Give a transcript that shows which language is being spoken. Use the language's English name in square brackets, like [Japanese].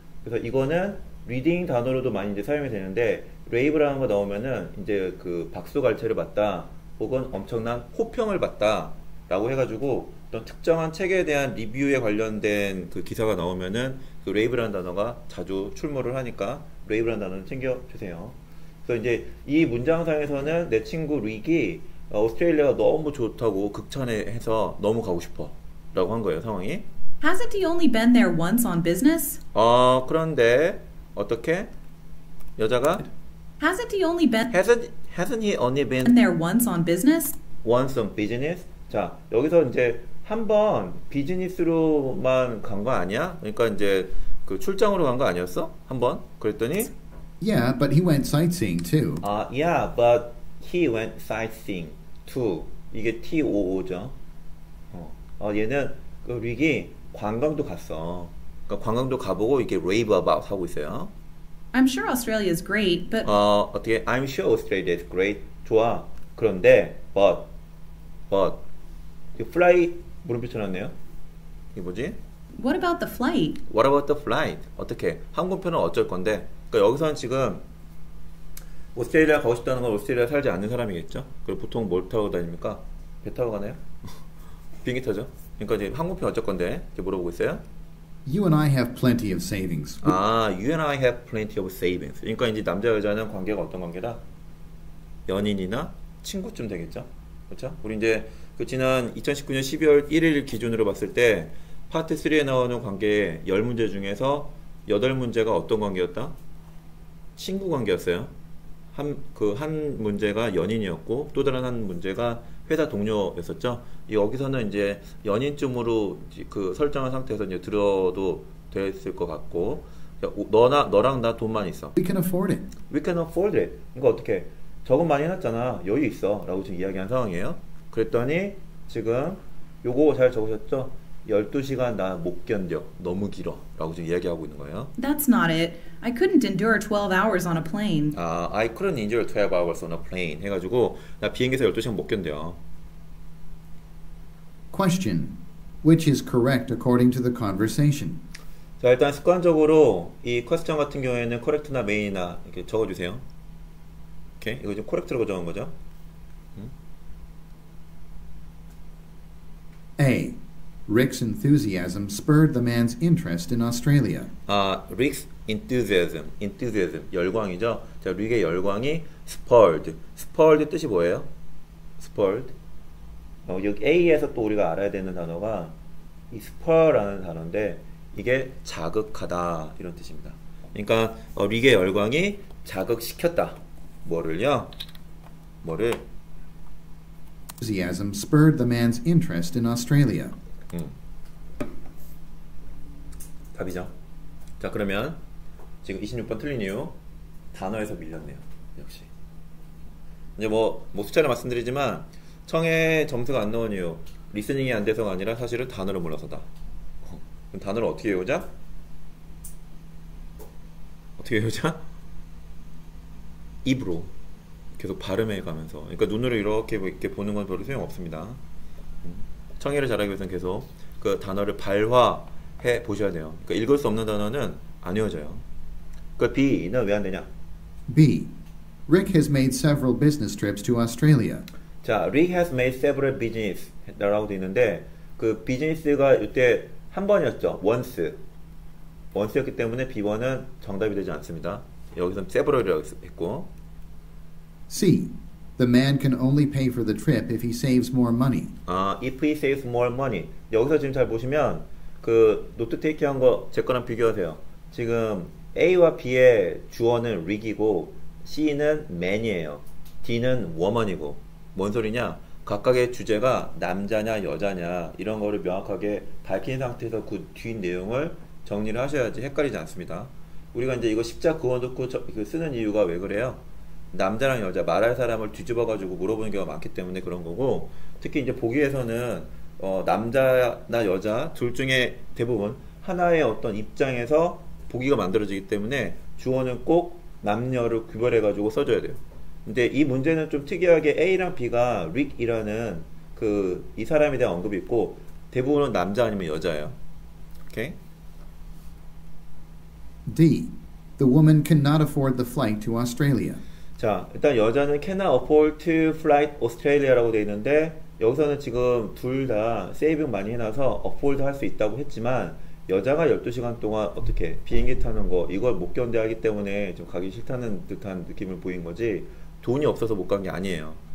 [Korean] 그래서 이거는 reading 단어로도 많이 이제 사용이 되는데 rave라는 거 나오면은 이제 그 박수갈채를 받다 혹은 엄청난 호평을 받다 라고 해가지고 어떤 특정한 책에 대한 리뷰에 관련된 그 기사가 나오면은 그 rave라는 단어가 자주 출몰을 하니까 rave라는 단어는 챙겨주세요. 그래서 이제 이 문장상에서는 내 친구 릭이 오스트레일리아가 너무 좋다고 극찬해서 너무 가고 싶어 라고 한 거예요 상황이. [English] Hasn't he only been there once on business? [Korean] 그런데 어떻게 여자가 [English] Hasn't he only been hasn't he only been there once on business? Once on business? [Korean] 자, 여기서 이제 한번 비즈니스로만 간 거 아니야? 그러니까 이제 그 출장으로 간 거 아니었어? 한번 그랬더니 [English] Yeah, but he went sightseeing too. Yeah, but he went sightseeing too. [Korean] 이게 TOO죠. 얘는 그 릭이 관광도 갔어. 그러니까 관광도 가보고 이게 rave about 하고 있어요. [English] I'm sure Australia is great, but [Korean] 어떻게 [English] I'm sure Australia is great. [Korean] 좋아. 그런데 but 이거 fly 물음표 쳐놨네요. 이게 뭐지? [English] What about the flight? What about the flight? [Korean] 어떻게 항공편은 어쩔 건데? 그러니까 여기서는 지금 오스트레일리아 가고 싶다는 건 오스트레일리아 살지 않는 사람이겠죠? 그리고 보통 뭘 타고 다닙니까? 배 타고 가나요? 비행기 타죠. 그러니까 이제 항공편 어쩔 건데? 이렇게 물어보고 있어요. [English] You and I have plenty of savings. 'You and I have plenty of savings.' [Korean] 그러니까 이제 남자 여자는 관계가 어떤 관계다? 연인이나 친구쯤 되겠죠? 그렇죠? 우리 이제 그 지난 2019년 12월 1일 기준으로 봤을 때 파트 3에 나오는 관계의 10문제 중에서 8문제가 어떤 관계였다? 친구 관계였어요. 한 문제가 연인이었고 또 다른 한 문제가 회사 동료였었죠. 여기서는 이제 연인쯤으로 그 설정한 상태에서 이제 들어도 됐을 것 같고 너랑 나 돈만 있어. [English] We can afford it. We can afford it. [Korean] 그러니까 어떻게 적은 많이 해놨잖아. 여유 있어 라고 지금 이야기한 상황이에요. 그랬더니 지금 요거 잘 적으셨죠? 12시간 나 못 견뎌. 너무 길어. 라고 지금 이야기하고 있는 거예요. [English] That's not it. I couldn't endure 12 hours on a plane. I couldn't endure 12 hours on a plane. [Korean] 해가지고 나 비행기에서 12시간 못 견뎌. [English] Question. Which is correct according to the conversation? [Korean] 자, 일단 습관적으로 이 question 같은 경우에는 correct나 main이나 이렇게 적어주세요. 오케이? 이거 지금 correct라고 적은 거죠? [English] A. Rick's enthusiasm spurred the man's interest in Australia. Rick's enthusiasm, [Korean] 열광이죠. 자, 릭의 열광이 spurred. Spurred 뜻이 뭐예요? [English] Spurred. [Korean] 여기 A에서 또 우리가 알아야 되는 단어가 이 spur라는 단어인데 이게 자극하다 이런 뜻입니다. 그러니까 릭의 열광이 자극시켰다. 뭐를요? 뭐를? [English] Enthusiasm spurred the man's interest in Australia. [Korean] 답이죠. 자, 그러면 지금 26번 틀린 이유 단어에서 밀렸네요. 역시 이제 뭐 숫자를 말씀드리지만 청해 점수가 안 나온 이유 리스닝이 안 돼서가 아니라 사실은 단어를 몰라서다. 그럼 단어를 어떻게 외우자? 어떻게 해보자. 입으로 계속 발음해 가면서. 그러니까 눈으로 이렇게 이렇게 보는 건 별로 소용 없습니다. 청해를 잘하기 위해서는 계속 그 단어를 발화해 보셔야 돼요. 그러니까 읽을 수 없는 단어는 안 외워져요. 그 B는 왜 안 되냐? [English] B. Rick has made several business trips to Australia. [Korean] 자, [English] Rick has made several business [Korean] 라고 돼 있는데 그 비즈니스가 이때 한 번이었죠. Once였기 때문에 B1은 정답이 되지 않습니다. 여기서는 several이라고 했고. [English] C. The man can only pay for the trip if he saves more money. 아, if he saves more money. [Korean] 여기서 지금 잘 보시면 그 노트 테이킹한 거 제 거랑 비교하세요. 지금 A와 B의 주어는 Rick이고 C는 man이에요. D는 woman이고. 뭔 소리냐? 각각의 주제가 남자냐 여자냐 이런 거를 명확하게 밝힌 상태에서 그 뒤 내용을 정리를 하셔야지 헷갈리지 않습니다. 우리가 이제 이거 십자 그어놓고 쓰는 이유가 왜 그래요? 남자랑 여자 말할 사람을 뒤집어 가지고 물어보는 경우가 많기 때문에 그런 거고, 특히 이제 보기에서는 남자나 여자 둘 중에 대부분 하나의 어떤 입장에서 보기가 만들어지기 때문에 주어는 꼭 남녀를 구별해 가지고 써줘야 돼요. 근데 이 문제는 좀 특이하게 A랑 B가 Rick이라는 그 이 사람에 대한 언급이 있고 대부분은 남자 아니면 여자예요. 오케이? [English] D. The woman cannot afford the flight to Australia. [Korean] 자, 일단 여자는 [English] cannot afford to flight Australia [Korean] 라고 돼 있는데 여기서는 지금 둘 다 saving 많이 해놔서 afford 할 수 있다고 했지만 여자가 12시간 동안 어떻게 비행기 타는 거 이걸 못 견뎌 하기 때문에 좀 가기 싫다는 듯한 느낌을 보인 거지 돈이 없어서 못 간 게 아니에요.